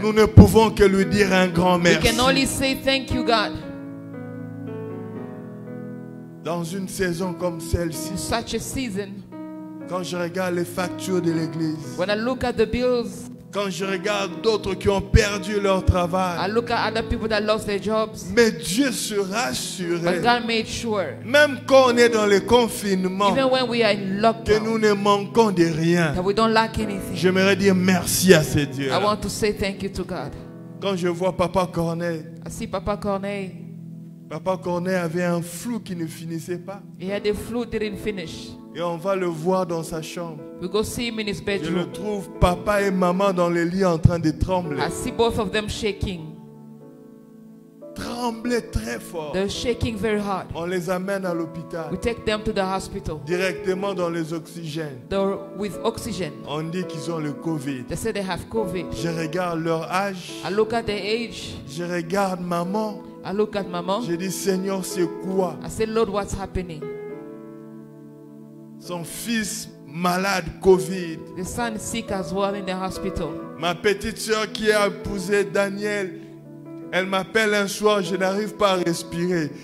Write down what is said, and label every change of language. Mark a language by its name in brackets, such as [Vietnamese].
[French] nous ne pouvons que lui dire un grand merci. [English] We can only say thank you, God. [French] Dans une saison comme celle-ci, [English] such a season, [French] quand je regarde les factures de l'église, [English] when I look at the bills, [French] Quand je regarde d'autres qui ont perdu leur travail, [English] I look at other people that lost their jobs. [French] Mais Dieu se rassurait. [English] But God made sure. [French] Même quand on est dans le confinement, [English] even when we are in lockdown, [French] que nous ne manquons de rien, [English] that we don't lack anything. [French] J'aimerais dire merci à ce Dieu. [English] I want to say thank you to God. [French] Quand je vois Papa Corneille, [English] I see Papa Corneille. [French] Papa Corneille avait un flou qui ne finissait pas. [English] He had a flu that didn't finish. [French] Et on va le voir dans sa chambre. [English] We go see him in his bedroom. [French] Je le trouve papa et maman dans le lit en train de trembler. [English] I see both of them shaking. [French] Trembler très fort. [English] They're shaking very hard. [French] On les amène à l'hôpital. [English] We take them to the hospital. [French] Directement dans les oxygènes. [English] They're with oxygen. [French] On dit qu'ils ont le COVID. [English] They say they have COVID. [French] Je regarde leur âge. [English] I look at their age. [French] Je regarde maman. [English] I look at maman. [French] Je dis Seigneur, c'est quoi? [English] I say Lord, what's happening? [French] Son fils malade COVID. [English] The son sick as well in the hospital. [French] Ma petite sœur qui a épousé Daniel, elle m'appelle un soir, je n'arrive pas à respirer.